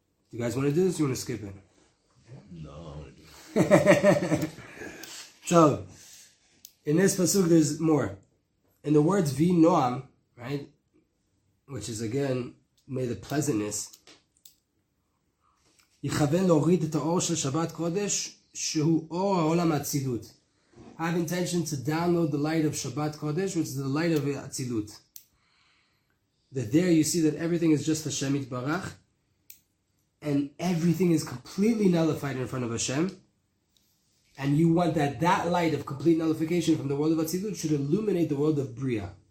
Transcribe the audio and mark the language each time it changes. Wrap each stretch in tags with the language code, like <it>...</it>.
<en>Do you guys want to do this or you want to skip it? No, I want to do it. So, in this pasuk, there's more. In the words vi noam, right? Which is again, may the pleasantness.</en> <he>יכוון להוריד את האור של שבת קודש, שהוא אור העולם הצילות.</he> <en>I have intention to download the light of Shabbat Kodesh, which is the light of Atzilut. That there you see that everything is just Hashem Yitbarach, and everything is completely nullified in front of Hashem, and you want that that light of complete nullification from the world of Atzilut should illuminate the world of Bria.</en>